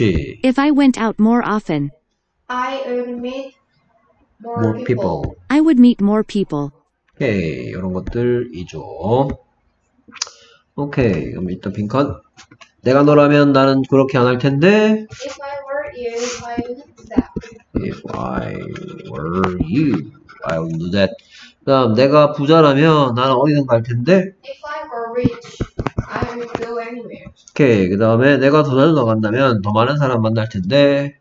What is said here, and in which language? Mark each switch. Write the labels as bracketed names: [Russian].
[English] If I went out more often. I would meet more people. I would meet more people. [Korean] Okay, 이런 것들이죠. Okay, 그럼 일단 빈칸. 내가 너라면 나는 그렇게 안 할 텐데. [English] If I were you, I would do that. If I were you, I would do that. [Korean] 그다음 내가 부자라면 나는 어디든 갈 텐데. [English] If I were rich, I would go anywhere. [Korean] Okay, 그다음에 내가 더 자주 나간다면 더 많은 사람 만날 텐데.